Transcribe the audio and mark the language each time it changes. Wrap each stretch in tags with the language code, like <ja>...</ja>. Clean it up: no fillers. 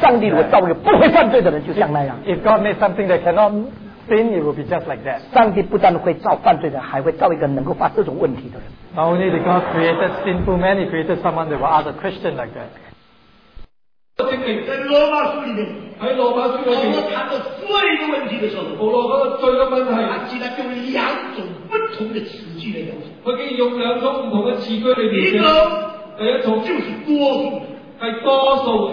<zh>上帝如果造一个不会犯罪的人，就像那样。</zh> <en>If God made something that cannot sin, it will be just like that.</en> <zh>上帝不但会造犯罪的，还会造一个能够发这种问题的人。</zh> <en>Not only did God create sinful man, He created someone that will ask a question like that.</en> <zh>在罗马书里面，保罗谈到罪的问题的时候，保罗讲到罪的问题，他竟然用两种不同的词句来描述。他竟然用两种不同的词句来描述。第一种，第一种就是多数，系多数。</zh>